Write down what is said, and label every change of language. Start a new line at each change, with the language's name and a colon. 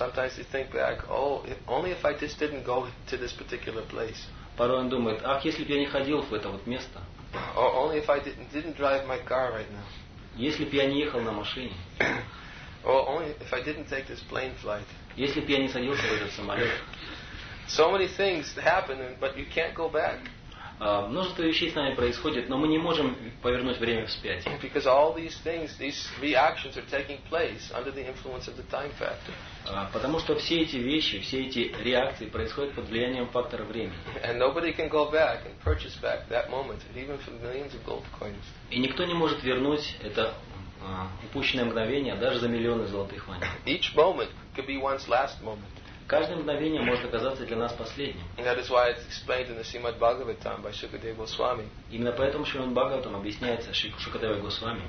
English: Sometimes you think back, oh, only if I just didn't go to this particular place.
Russian: Порой он думает, ах, если б я не ходил в это вот место.
English: Or only if I didn't drive my car right now.
Russian: Если б я не ехал на машине.
English: Or only if I didn't take this plane flight.
Russian: Если б я не садился в этот самолет.
English: So many things happen, but you can't go back.
Russian: Множество вещей с нами происходит, но мы не можем повернуть время вспять.
English: Because all these things, these reactions are taking place under the influence of the time factor.
Russian: Потому что все эти вещи, все эти реакции происходят под влиянием фактора времени.
English: And nobody can go back and purchase back that moment, even for millions of gold coins.
Russian: И никто не может вернуть это упущенное мгновение даже за миллионы золотых монет.
English: Each moment could be one's last moment.
Russian: Каждое мгновение может оказаться для нас последним.
English: And that is why it's explained in the Srimad Bhagavatam by Shukadeva Goswami.
Russian: Именно поэтому Шримад Бхагаватам объясняется Шукадевой Госвами.